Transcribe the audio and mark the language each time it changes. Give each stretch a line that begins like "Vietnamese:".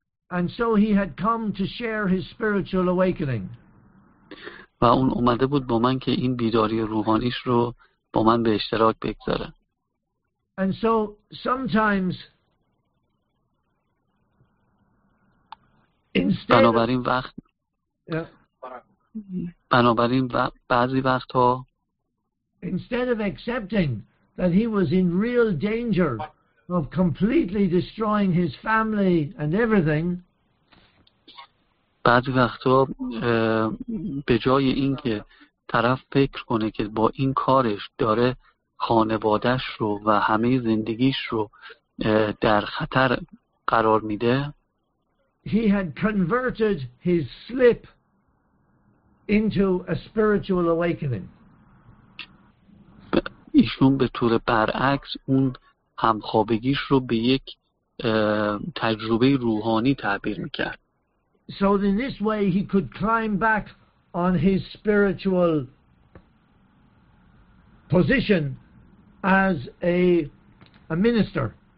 English: And so he had come to share his spiritual awakening.
Persian: و اون اومده بود با من که این بیداری روحانیش رو با من به اشتراک بگذاره.
English: And so sometimes instead
Persian: بنابراین وقت بنابراین بعضی وقتها
English: instead of accepting that he was in real danger of completely destroying his family and everything.
Persian: بعضی وقتها به جای اینکه طرف فکر کنه که با این کارش داره خانوادش رو و همه زندگیش رو در خطر قرار میده.
English: He had converted his slip into a spiritual awakening.
Persian: ایشون به طور برعکس اون همخوابگیش رو به یک تجربه روحانی تعبیر میکرد.
English: So in this way he could climb back on his spiritual position as a minister.